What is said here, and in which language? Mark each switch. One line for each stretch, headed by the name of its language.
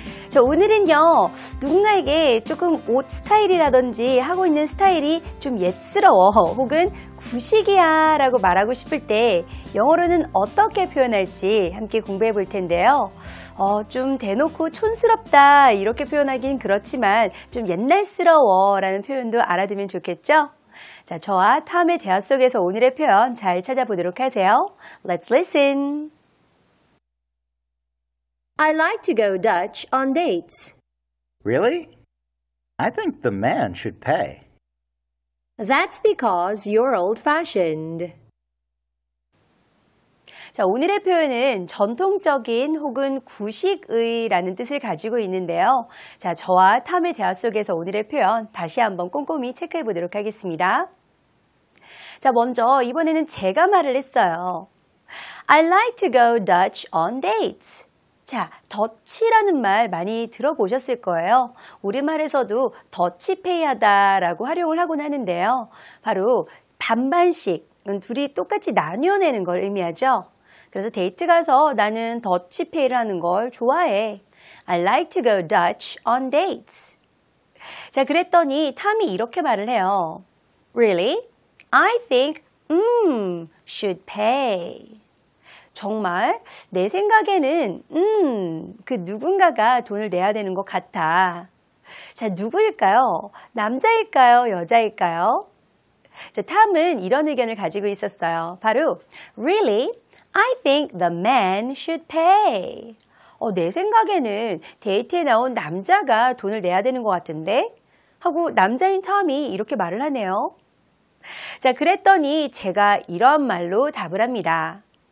Korean: 저 오늘은요, 누군가에게 조금 옷 스타일이라든지 하고 있는 스타일이 좀 옛스러워 혹은 구식이야 라고 말하고 싶을 때 영어로는 어떻게 표현할지 함께 공부해 볼 텐데요. 좀 대놓고 촌스럽다 이렇게 표현하긴 그렇지만 좀 옛날스러워 라는 표현도 알아두면 좋겠죠? 자, 저와 탐의 대화 속에서 오늘의 표현 잘 찾아보도록 하세요.
English: Let's listen. I like to go Dutch on dates. Really? I think the man should pay. That's because you're old-fashioned.
Korean: 자, 오늘의 표현은 전통적인 혹은 구식의라는 뜻을 가지고 있는데요. 자, 저와 탐의 대화 속에서 오늘의 표현 다시 한번 꼼꼼히 체크해 보도록 하겠습니다. 자, 먼저 이번에는 제가 말을 했어요.
English: I like to go Dutch on dates.
Korean: 자, 더치라는 말 많이 들어보셨을 거예요. 우리말에서도 더치페이하다 라고 활용을 하곤 하는데요. 바로 반반씩, 둘이 똑같이 나뉘어내는 걸 의미하죠. 그래서 데이트 가서 나는 더치페이를 하는 걸 좋아해.
English: I like to go Dutch on dates.
Korean: 자, 그랬더니 탐이 이렇게 말을 해요.
English: Really? I think, should pay.
Korean: 정말 내 생각에는, 그 누군가가 돈을 내야 되는 것 같아. 자, 누구일까요? 남자일까요? 여자일까요? 자, 탐은 이런 의견을 가지고 있었어요. 바로,
English: really, I think the man should pay.
Korean: 내 생각에는 데이트에 나온 남자가 돈을 내야 되는 것 같은데? 하고 남자인 탐이 이렇게 말을 하네요. 자, 그랬더니 제가 이런 말로 답을 합니다.